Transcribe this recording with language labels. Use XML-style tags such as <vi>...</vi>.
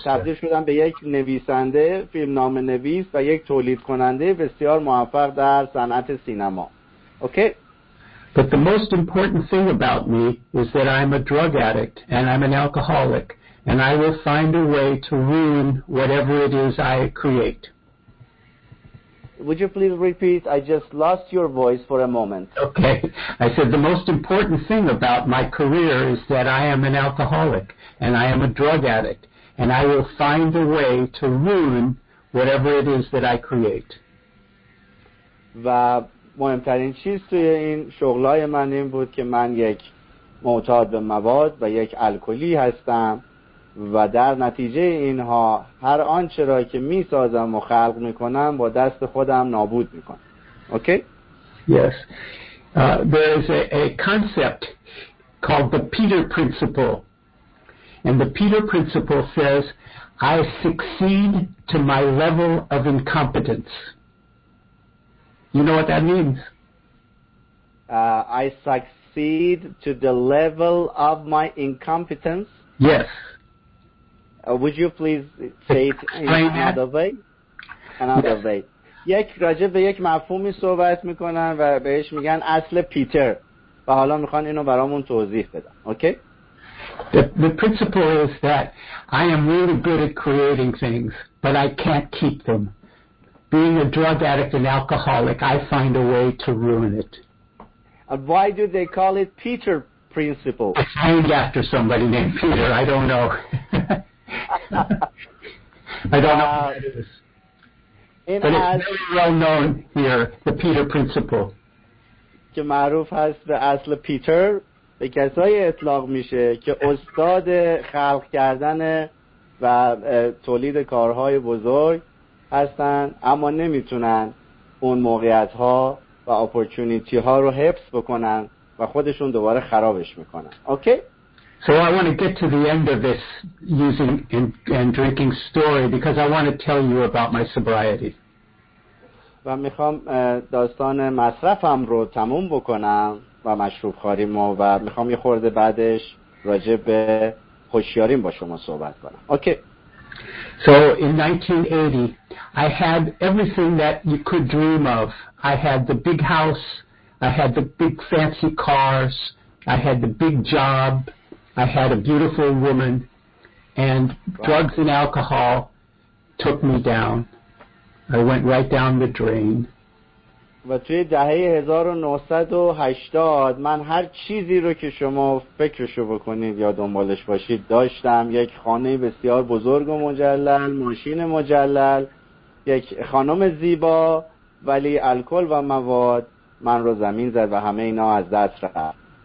<fa>تبدیل شدم به یک نویسنده، فیلم نام نویس و یک تولید کننده بسیار موفق در صنعت سینما.</fa> <en>Okay? But the most important thing about me is that I'm a drug addict and I'm an alcoholic and I will find a way to ruin whatever it is I create. Would you please repeat? I just lost your voice for a moment. Okay. I said the most important thing about my career is that I am an alcoholic and I am a drug addict and I will find a way to ruin whatever it is that I create.</en> <fa>مهمترین چیز توی این شغلای من این بود که من یک معتاد به مواد و یک الکلی هستم و در نتیجه اینها هر آنچه را که می سازم و خلق می کنم با دست خودم نابود می کنم.</fa> <en>Okay? Yes. There is a concept called the Peter Principle. And the Peter Principle says, I succeed to my level of incompetence. You know what that means? I succeed to the level of my incompetence. Yes. Would you please say it in another way? Another way.</en> <fa>یک راجع به یک مفهومی صحبت میکنن و بهش میگن اصل پیتر و حالا میخوان اینو برامون توضیح بدن.</fa> <en>Okay? The principle is that I am really good at creating things, but I can't keep them. Being a drug addict and alcoholic, I find a way to ruin it. And why do they call it Peter principle? It's named after somebody named Peter. I don't know. I don't know what it is. But it's very well known here, the Peter principle.</en> <fa>که معروف هست به اصل پیتر به کسای اطلاق میشه که استاد خلق کردن و تولید کارهای بزرگ هستن اما نمیتونن اون موقعیت ها و اپورتونیتی ها رو حفظ بکنن و خودشون دوباره خرابش میکنن.</fa> <en>Okay? So I want to get to the end of this using and drinking story because I want to tell you about my sobriety.</en> <fa>و میخوام داستان مصرفم رو تموم بکنم و مشروب خوریم و میخوام یه خورده بعدش راجع به هوشیاریم با شما صحبت کنم.</fa> <en>Okay. So in 1980 I had everything that you could dream of. I had the big house, I had the big fancy cars, I had the big job. I had a beautiful woman, and drugs and alcohol took me down. I went right down the drain.</en> <fa>و توی دهه 1980 من هر چیزی رو که شما فکرشو بکنید یا دنبالش باشید داشتم. یک خانه بسیار بزرگ و مجلل، ماشین مجلل، یک خانم زیبا، ولی الکل و مواد من رو زمین زد و همه اینا از دست رفت.</fa>